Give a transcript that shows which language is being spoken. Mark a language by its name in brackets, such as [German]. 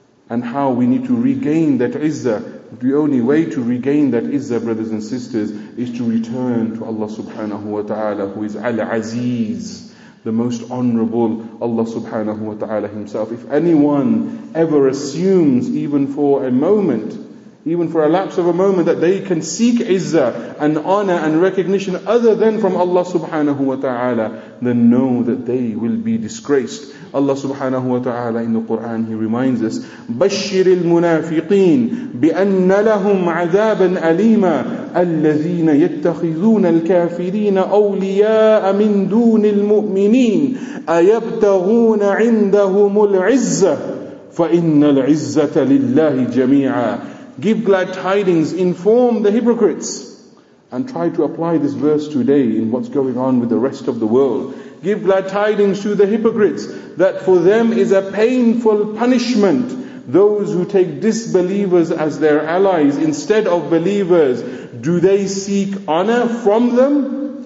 [English] And how we need to regain that izzah. The only way to regain that izzah, brothers and sisters, is to return to Allah subhanahu wa ta'ala, who is Al-Aziz, the most honorable Allah subhanahu wa ta'ala himself. If anyone ever assumes, even for a moment, even for a lapse of a moment, that they can seek izzah and honor and recognition other than from Allah subhanahu wa ta'ala, then know that they will be disgraced. Allah subhanahu wa ta'ala in the Quran, He reminds us, [Arabic] بَشِّرِ الْمُنَافِقِينَ بِأَنَّ لَهُمْ عَذَابًا أَلِيمًا الَّذِينَ يَتَّخِذُونَ الْكَافِرِينَ أَوْلِيَاءَ مِن دُونِ الْمُؤْمِنِينَ أَيَبْتَغُونَ عِنْدَهُمُ الْعِزَّةِ فَإِنَّ الْعِزَّةَ لِلَّهِ جَمِيعًا. [English] Give glad tidings, inform the hypocrites. And try to apply this verse today in what's going on with the rest of the world. Give glad tidings to the hypocrites that for them is a painful punishment. Those who take disbelievers as their allies instead of believers, do they seek honor from them?